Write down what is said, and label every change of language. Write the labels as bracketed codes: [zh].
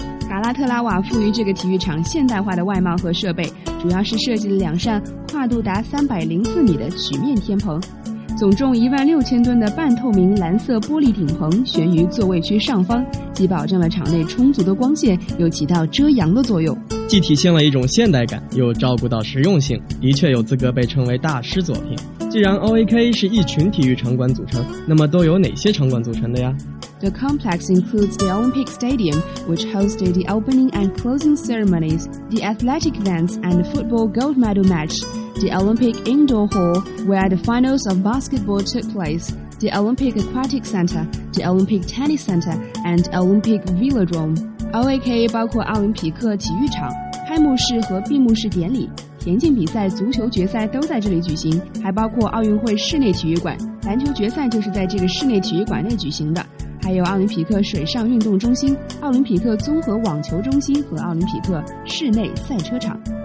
[zh] 卡拉特拉瓦赋予这个体育场现代化的外貌和设备，主要是设计了两扇跨度达304米的曲面天棚，总重16000吨的半透明蓝色玻璃顶棚悬于座位区上方，既保证了场内充足的光线，又起到遮阳的作用，既体现了一种现代感，又照顾到实用性，的确有资格被称为大师作品。既然 OAKA 是一群体育场馆组成，那么都有哪些场馆组成的呀？ [en] The complex includes the Olympic Stadium, which hosted the opening and closing ceremonies, the athletic events and the football gold medal match, the Olympic Indoor Hall, where the finals of basketball took place, the Olympic Aquatic Center, the Olympic Tennis Center, and Olympic Velodrome. [zh] OAKA 包括奥林匹克体育场、开幕式和闭幕式典礼、田径比赛、足球决赛都在这里举行，还包括奥运会室内体育馆，篮球决赛就是在这个室内体育馆内举行的。还有奥林匹克水上运动中心、奥林匹克综合网球中心和奥林匹克室内赛车场。